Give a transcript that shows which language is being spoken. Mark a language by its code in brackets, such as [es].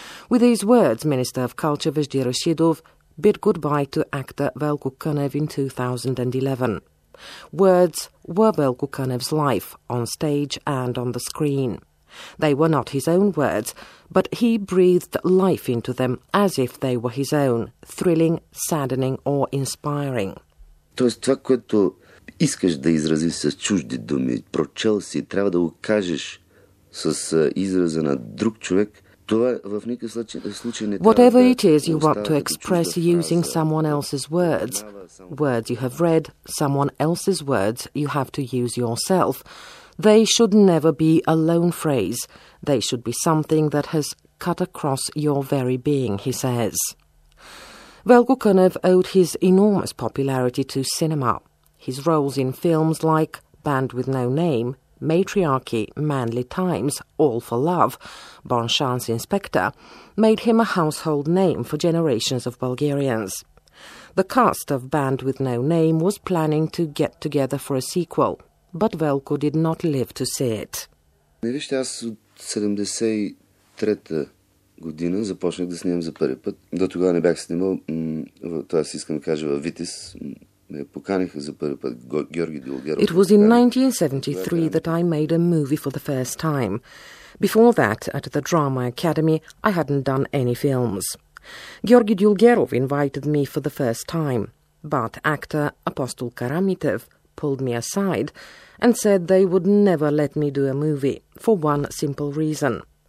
[en] With these words, Minister of Culture Vezhdi Rashidov bid goodbye to actor Veljko Konev in 2011. Words were Veljko Konev's life, on stage and on the screen. They were not his own words, but he breathed life into them as if they were his own, thrilling, saddening or inspiring. [bg] Това, което искаш да изразиш с чужди думи, прочел си, трябва да го кажеш с израза на друг човек. [en] Whatever it is you want to express using someone else's words you have read, someone else's words you have to use yourself, they should never be a lone phrase. They should be something that has cut across your very being, he says. Veljko Konev owed his enormous popularity to cinema. His roles in films like Band with No Name, Matriarchy, Manly Times, All for Love, Bon Chance Inspector, made him a household name for generations of Bulgarians. The cast of Band with No Name was planning to get together for a sequel, but Veljko did not live to see it. [bg] Вижте, аз от 73-та година започнах да снимам за първи път. До тогава не бях снимал, това си искам да кажа, във Витис. [en] It was in 1973 that I made a movie for the first time. Before that, at the Drama Academy, I hadn't done any films. Georgi Dulgerov invited me for the first time, but actor Apostol Karamitev pulled me aside and said they would never let me do a movie, for one simple reason.